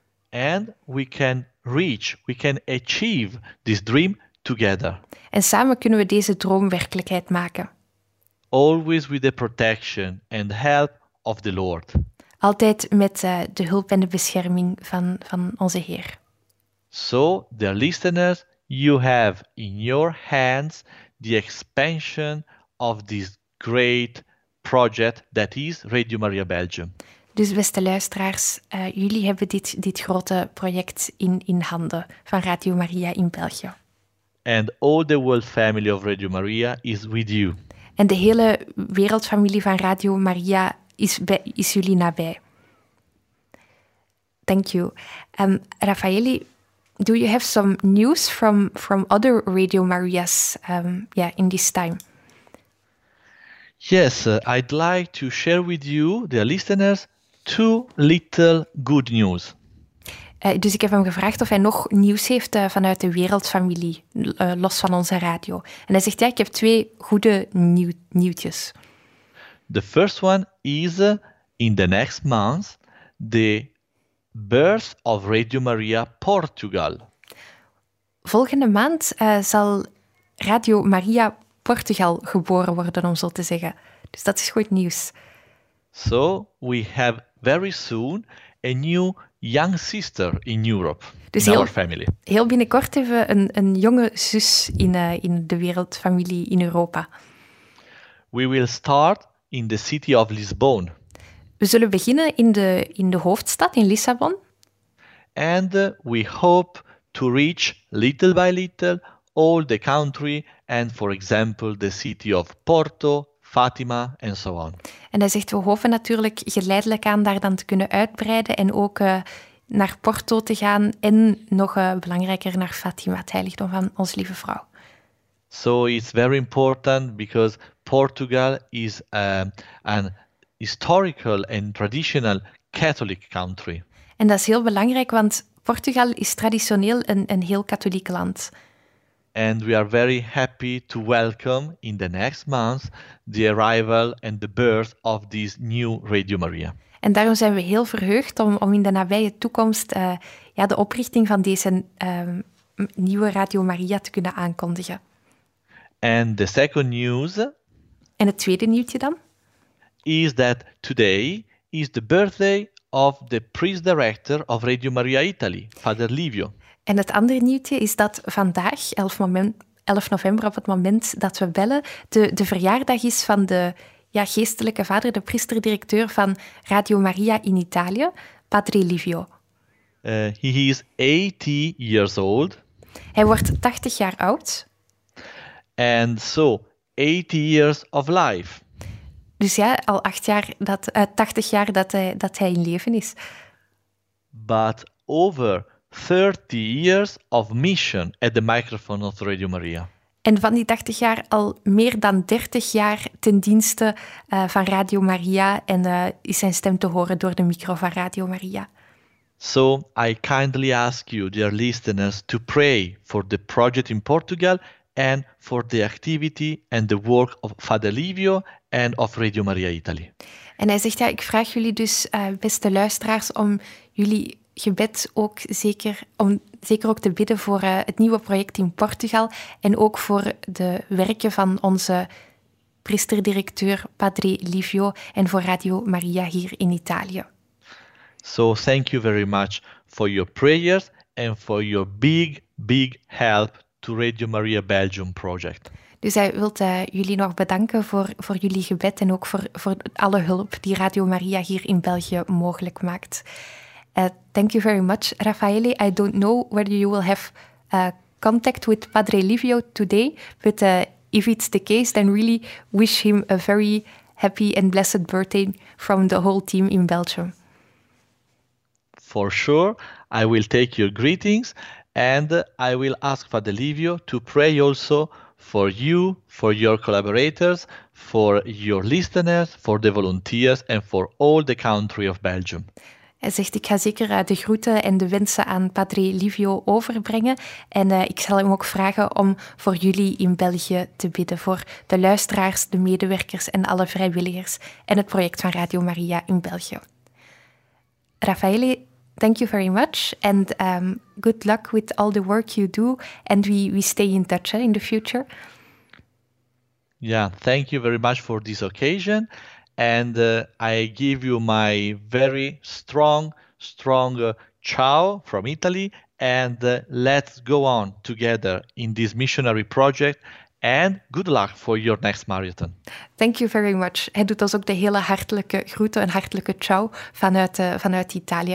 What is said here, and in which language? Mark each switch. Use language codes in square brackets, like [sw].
[en] And we can achieve this dream together. [nl] En samen kunnen we deze droom werkelijkheid maken. [en] Always with the protection and help of the Lord. [nl] Altijd met de hulp en de bescherming van onze Heer. [en] So, dear listeners, you have in your hands the expansion of this great project that is Radio Maria Belgium. [nl] Dus beste luisteraars, jullie hebben dit grote project in handen van Radio Maria in België. [en] And all the world family of Radio Maria is with you. [nl] En de hele wereldfamilie van Radio Maria is jullie nabij. [en] Thank you. Raffaele, do you have some news from other Radio Marias in this time? Yes, I'd like to share with you, dear listeners, two little good news. [nl] Dus ik heb hem gevraagd of hij nog nieuws heeft vanuit de wereldfamilie, los van onze radio. En hij zegt, ik heb twee goede nieuwtjes. [en] The first one is in the next month, the birth of Radio Maria Portugal. [nl] Volgende maand zal Radio Maria Portugal geboren worden, om zo te zeggen. Dus dat is goed nieuws. [en] So, we have very soon a new young sister in Europe, [nl] dus [en] in our family. [nl] Heel binnenkort hebben we een jonge zus in de wereldfamilie in Europa. [en] We will start in the city of Lisbon. [nl] We zullen beginnen in de hoofdstad, in Lissabon. [en] And we hope to reach little by little all the country and for example the city of Porto, Fatima [nl] en zo aan. En hij zegt, we hopen natuurlijk geleidelijk aan daar dan te kunnen uitbreiden en ook naar Porto te gaan en nog belangrijker naar Fatima, het heiligdom van onze lieve vrouw. [en] So it's very important because Portugal is an historical and traditional Catholic country. [nl] En dat is heel belangrijk, want Portugal is traditioneel een heel katholiek land. [en] And we are very happy to welcome in the next month the arrival and the birth of this new Radio Maria. [nl] En daarom zijn we heel verheugd om in de nabije toekomst de oprichting van deze nieuwe Radio Maria te kunnen aankondigen. [en] And the second news. [nl] En het tweede nieuwtje dan? [en] Is that today is the birthday of the priest director of Radio Maria Italy, Father Livio. [nl] En het andere nieuwtje is dat vandaag, 11 november, op het moment dat we bellen, de verjaardag is van de geestelijke vader, de priester-directeur van Radio Maria in Italië, Padre Livio. [en] He is 80 years old. [nl] Hij wordt 80 jaar oud. [en] And so, 80 years of life. [nl] Dus ja, al 80 jaar dat hij in leven is. [en] But over 30 years of mission at the microphone of Radio Maria. [nl] En van die 80 jaar al meer dan 30 jaar ten dienste van Radio Maria en is zijn stem te horen door de micro van Radio Maria. [en] So I kindly ask you, dear listeners, to pray for the project in Portugal and for the activity and the work of Father Livio and of Radio Maria Italy. [nl] En hij zegt, ja, ik vraag jullie dus, beste luisteraars, om jullie gebed ook zeker, om zeker ook te bidden voor het nieuwe project in Portugal en ook voor de werken van onze priester-directeur Padre Livio en voor Radio Maria hier in Italië. [en] So thank you very much for your prayers and for your big, big help to Radio Maria Belgium project. [nl] Dus hij wil jullie nog bedanken voor jullie gebed en ook voor alle hulp die Radio Maria hier in België mogelijk maakt. [en] Thank you very much, Raffaele. I don't know whether you will have contact with Padre Livio today, but if it's the case, then really wish him a very happy and blessed birthday from the whole team in Belgium. For sure, I will take your greetings and I will ask Father Livio to pray also for you, for your collaborators, for your listeners, for the volunteers and for all the country of Belgium. [nl] Hij zegt, ik ga zeker de groeten en de wensen aan Padre Livio overbrengen. En ik zal hem ook vragen om voor jullie in België te bidden. Voor de luisteraars, de medewerkers en alle vrijwilligers en het project van Radio Maria in België. [en] Raffaele, thank you very much. And good luck with all the work you do. And we stay in touch in the future. Yeah, thank you very much for this occasion. And I give you my very strong ciao from Italy. And let's go on together in this missionary project. And good luck for your next marathon. Thank you very much. [nl] Hij doet ons ook de hele hartelijke groeten en hartelijke ciao vanuit Italië.